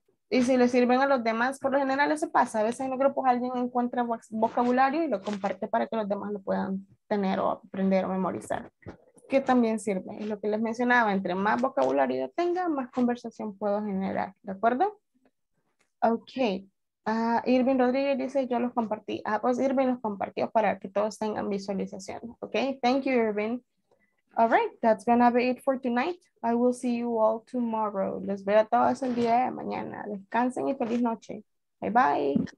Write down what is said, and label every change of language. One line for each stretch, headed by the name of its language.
Spanish: Y si le sirven a los demás, por lo general eso pasa. A veces en los grupos alguien encuentra vocabulario y lo comparte para que los demás lo puedan tener o aprender o memorizar. Que también sirve. Es lo que les mencionaba, entre más vocabulario yo tenga, más conversación puedo generar. ¿De acuerdo? Ok. Irving Rodríguez dice, yo los compartí. Ah, pues Irving los compartió para que todos tengan visualización.
English: Okay, thank you, Irving. All right, that's gonna be it for tonight. I will see you all tomorrow.
Spanish: Les veo a todos el día de mañana. Descansen y feliz noche. Bye bye.